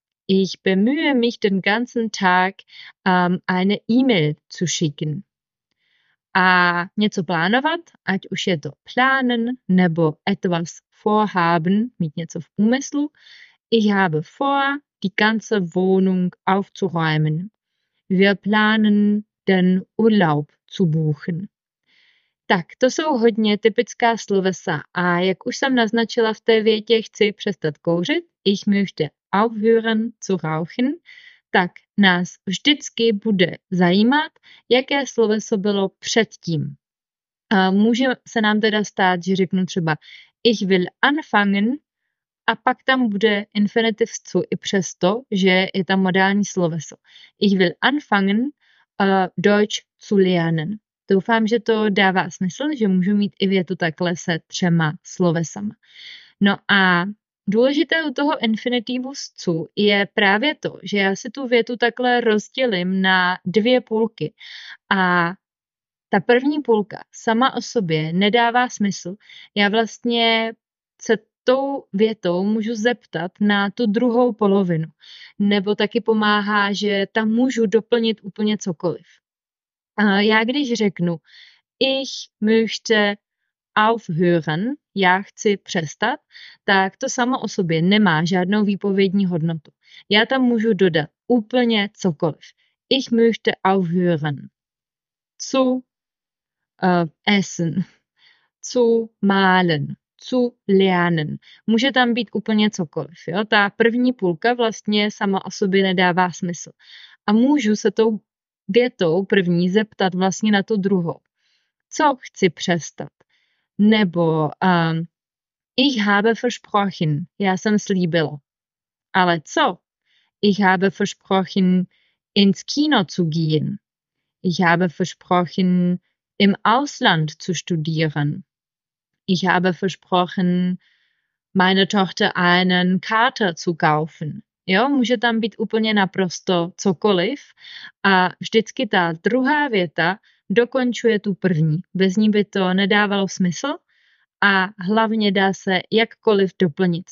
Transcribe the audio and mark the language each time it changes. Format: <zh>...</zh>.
<de>Ich bemühe mich den ganzen Tag, eine E-Mail zu schicken.</de> <cs>A něco plánovat, ať už je to plánen nebo etwas vorhaben, mít něco v úmyslu.</cs> <de>Ich habe vor, die ganze Wohnung aufzuräumen. Wir planen, den Urlaub zu buchen.</de> <cs>Tak, to jsou hodně typická slovesa. A jak už jsem naznačila v té větě, chci přestat kouřit.</cs> <de>Ich möchte aufhören zu rauchen.</de> <cs>Tak nás vždycky bude zajímat, jaké sloveso bylo předtím. A může se nám teda stát, že řeknu třeba</cs> <de>ich will anfangen</de> <cs>a pak tam bude infinitiv zu i přesto, že je tam modální sloveso.</cs> <de>Ich will anfangen Deutsch zu lernen.</de> <cs>Doufám, že to dává smysl, že můžu mít i větu takhle se třema slovesama. No a důležité u toho infinitivu z zu je právě to, že já si tu větu takhle rozdělím na dvě půlky. A ta první půlka sama o sobě nedává smysl. Já vlastně se tou větou můžu zeptat na tu druhou polovinu. Nebo taky pomáhá, že tam můžu doplnit úplně cokoliv. Já když řeknu,</cs> <de>ich möchte aufhören,</de> <cs>já chci přestat, tak to samo o sobě nemá žádnou výpovědní hodnotu. Já tam můžu dodat úplně cokoliv.</cs> <de>Ich möchte aufhören zu essen, zu malen, zu lernen.</de> <cs>Může tam být úplně cokoliv. Jo? Ta první půlka vlastně sama o sobě nedává smysl. A můžu se tou větou první zeptat vlastně na tu druhou. Co chci přestat? Nebo</cs> <de>ich habe versprochen,</de> <cs>já jsem slíbila. Ale co?</cs> <de>Ich habe versprochen, ins Kino zu gehen. Ich habe versprochen, im Ausland zu studieren. Ich habe versprochen, meine Tochter einen Kater zu kaufen.</de> <cs>Jo, může tam být úplně naprosto cokoliv a vždycky ta druhá věta dokončuje tu první. Bez ní by to nedávalo smysl a hlavně dá se jakkoliv doplnit.</cs>